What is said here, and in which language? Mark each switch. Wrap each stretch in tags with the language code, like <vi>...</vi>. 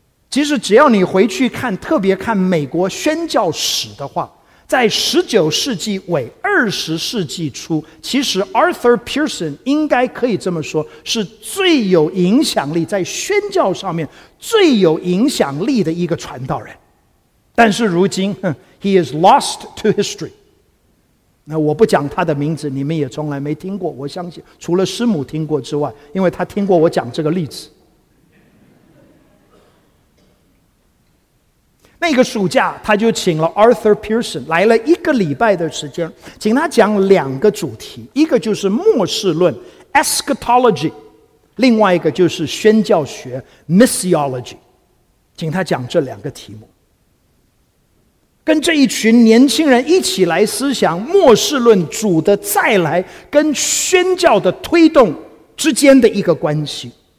<zh>其实只要你回去看，特别看美国宣教史的话，在19世纪尾20世纪初，其实 Arthur Pearson 应该可以这么说，是最有影响力，在宣教上面最有影响力的一个传道人。但是如今</zh> <en>He is lost to history。</en> <zh>那我不讲他的名字，你们也从来没听过，我相信除了师母听过之外，因为他听过我讲这个例子。那个暑假他就请了 Arthur Pearson 来了一个礼拜的时间，请他讲两个主题，一个就是末世论 Eschatology， 另外一个就是宣教学 Missiology， 请他讲这两个题目，跟这一群年轻人一起来思想末世论主的再来跟宣教的推动之间的一个关系。</zh>